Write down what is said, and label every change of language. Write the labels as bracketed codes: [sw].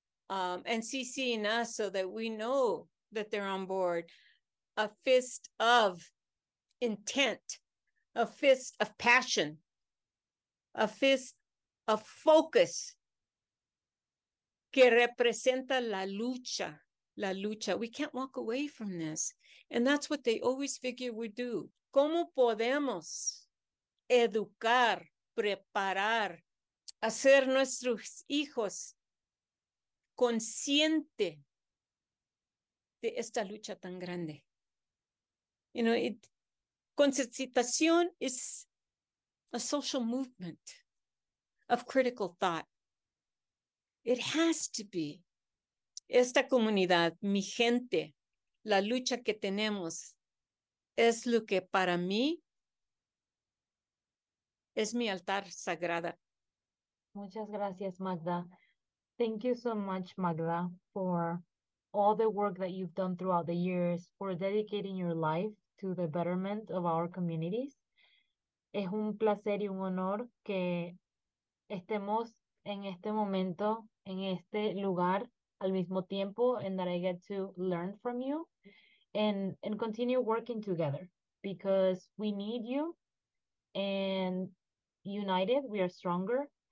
[en] and CCing us so that we know that they're on board, a fist of intent, a fist of passion, a fist of focus, [es] que representa la lucha. [en] We can't walk away from this. And that's what they always figure we do. [es] ¿Cómo podemos educar, preparar, hacer nuestros hijos consciente de esta lucha tan grande? [en] You know, concientización is a social movement of critical thought. It has to be. [es] Esta comunidad, mi gente, la lucha que tenemos, es lo que para mí es mi altar sagrada. Muchas gracias, Magda. [en] Thank you so much, Magda, for all the work that you've done throughout the years, for dedicating your life to the betterment of our communities. [es] Es un placer y un honor que estemos en este momento, en este lugar, al mismo tiempo, [en] and that I get to learn from you and continue working together, because we need you, and united we are stronger.